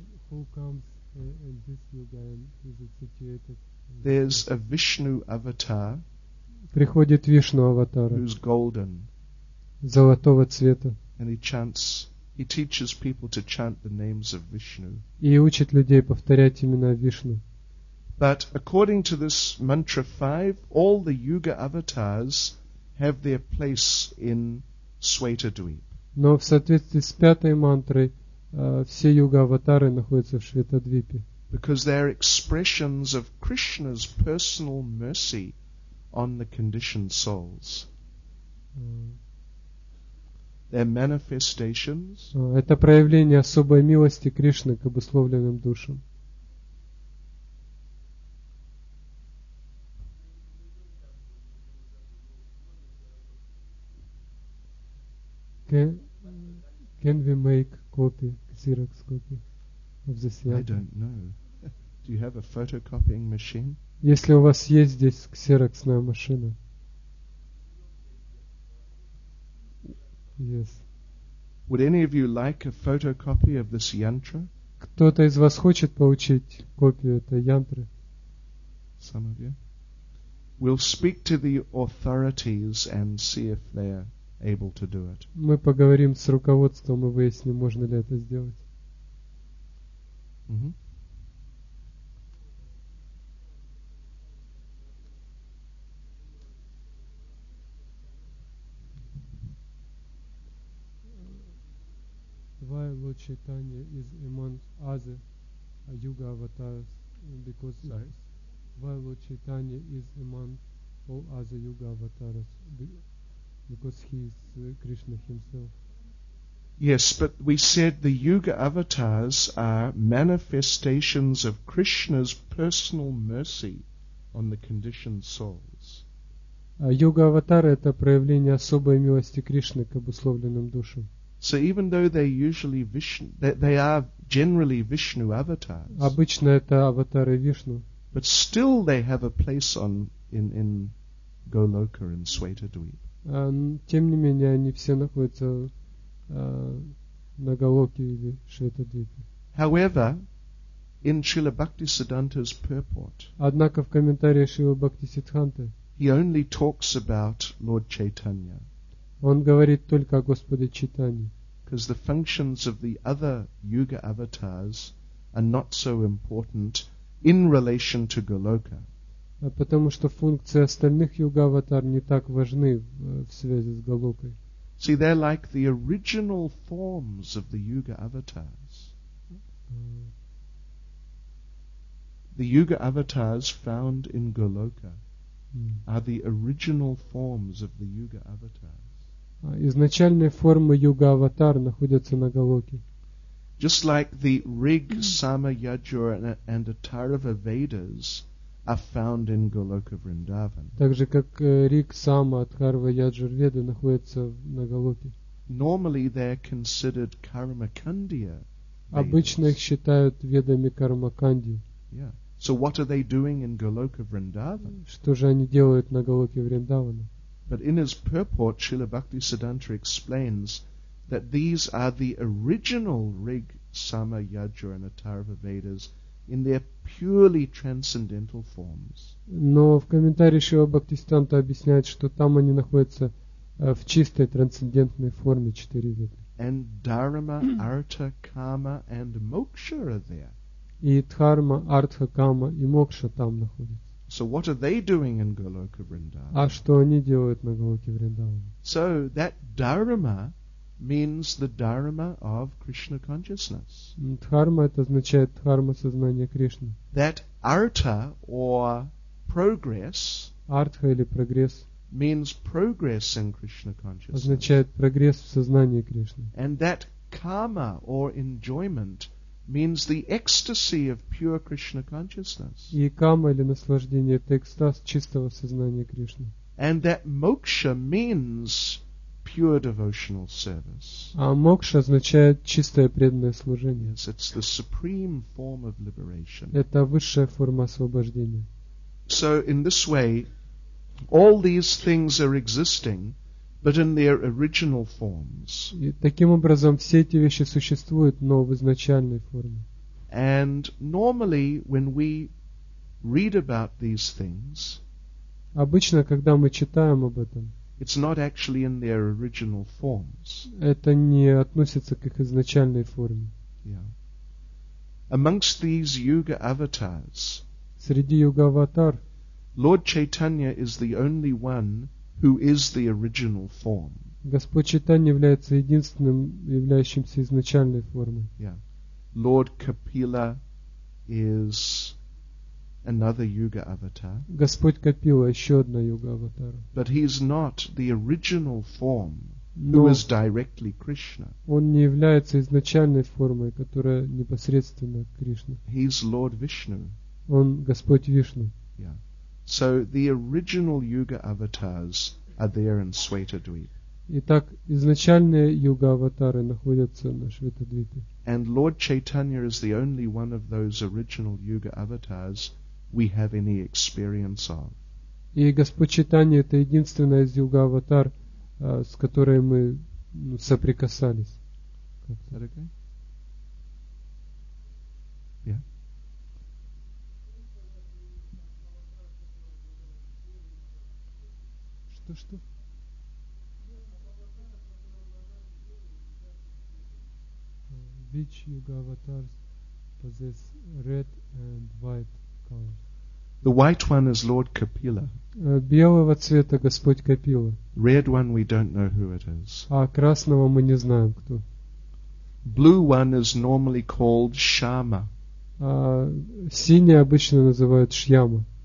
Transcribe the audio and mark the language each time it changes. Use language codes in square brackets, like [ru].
[en] Who comes in this yuga and is it situated? There's a Vishnu avatar. [ru] Приходит Вишну аватар. [en] Who's golden? [ru] Золотого цвета. [en] And he teaches people to chant the names of Vishnu. [ru] И учит людей повторять имена Вишну. [en] But according to this mantra 5, all the yuga avatars have their place in Swetadweep. [ru] Но в соответствии с пятой мантрой все юга-аватары находятся в Шветадвипе. [en] Because they are expressions of Krishna's personal mercy on the conditioned souls. They're manifestations. [ru] Это проявление особой милости Кришны к обусловленным душам. [en] Can we make copy? Xerox copy of this yuga. I don't know. Do you have a photocopying machine? [ru] Если у вас есть здесь ксероксная машина. [en] Yes. Would any of you like a photocopy of this yantra? [ru] Кто-то из вас хочет получить копию этой янтры? [en] Some of you. We'll speak to the authorities and see if they're able to do it. [ru] Мы поговорим с руководством и выясним, можно ли это сделать. Mm-hmm. [en] Why Lord Chaitanya is among other yuga avatars? Because why Lord Chaitanya is among all other yuga avatars? Because he is Krishna himself. Yes, but we said the yuga avatars are manifestations of Krishna's personal mercy on the conditioned souls. [ru] Yuga avatары это проявление особой милости Кришны к обусловленным душам. [en] So even though they usually Vishnu, they are generally Vishnu avatars. [ru] Обычно это аватары Вишну. [en] But still they have a place on in Goloka and Swetadweep. [ru] Тем не менее, они все находятся на Голоке или Шветадвипе. [en] However, in Srila Bhaktisiddhanta's purport, [ru] однако в комментарии Шрилы Бхактисиддханты, [en] he only talks about Lord Chaitanya. [ru] Он говорит только о Господе Чайтанье. [en] Because the functions of the other yuga avatars are not so important in relation to Goloka. [ru] Потому что функции остальных юга-аватар не так важны в связи с Голокой. [en] See, they're like the original forms of the yuga avatars. The yuga avatars found in Goloka. are the original forms of the Yuga avatars. [ru] Изначальные формы Юга аватар находятся на Галоке. [en] Just like the Rig, Sama, Yajur and Atharva Vedas are found in Goloka Vrindavan. [ru] Также как Риг, Сама, Атхарва, Яджур, Веды находятся на Галоке. [en] Normally they're considered Karmakandiya. [ru] Обычно их считают ведами Кармаканди. [en] Yeah. So what are they doing in Goloka Vrindavan? [ru] Что же они делают на Голоке Вриндавана? [en] But in his purport, Srila Bhakti Siddhanta explains that these are the original Rig, Sama, Yajur and Atharva Vedas in their purely transcendental forms. [ru] Но в комментарии Шрила Бхактисиддханта объясняет, что там они находятся в чистой трансцендентной форме четыре веды. [en] And Dharma, Artha, Kama and Moksha are there. [ru] И Дхарма, Артха, Кама и Мокша там находятся. [en] So what are they doing in Goloka Vrindavan? [ru] А что они делают на Голоке Вриндавана? [en] So that Dharma means the Dharma of Krishna consciousness. [ru] Дхарма это означает Дхарма сознания Кришны. [en] That Artha or progress. [ru] Артха или прогресс. [en] Means progress in Krishna consciousness. [ru] Означает прогресс в сознании Кришны. [en] And that Kama or enjoyment means the ecstasy of pure Krishna consciousness. [ru] И кама или наслаждение это экстаз чистого сознания Кришны. [en] And that Moksha means pure devotional service. [ru] А мокша означает чистое преданное служение. [en] Yes, it's the supreme form of liberation. [ru] Это высшая форма освобождения. [en] So in this way, all these things are existing, but in their original forms. [ru] И таким образом все эти вещи существуют, но в изначальной форме. [en] And normally, when we read about these things, [ru] обычно, когда мы читаем об этом. [en] It's not actually in their original forms. [ru] Это не относится к их изначальной форме. [en] Yeah. Amongst these yuga avatars, [ru] среди юга аватар, [en] Lord Chaitanya is the only one who is the original form. [ru] Господь Чайтанья является единственным являющимся изначальной формой. [en] Yeah. Lord Kapila is another yuga avatar. [ru] Господь Капила еще одна юга аватара. [en] But he is not the original form who is directly Krishna. [ru] Он не является изначальной формой, которая непосредственно Кришна. [en] He is Lord Vishnu. [ru] Он Господь Вишну. [en] Yeah. So the original yuga avatars are there in Svetadvipa. [ru] Итак, изначальные юга аватары находятся на Шветадвипе. [en] And Lord Chaitanya is the only one of those original yuga avatars we have any experience of. [ru] И Господь Чайтанья это единственная из юга аватар, с которой мы соприкасались. [en] Is that okay? Yeah. [ru] Что? [en] Which yuga avatars possess red and white colors? The white one is Lord Kapila. [ru] Белого цвета Господь Капила. [en] Red one we don't know who it is. [ru] А красного мы не знаем кто. [en] Blue one is normally called Shama. [ru] Синий обычно называют Шьяма.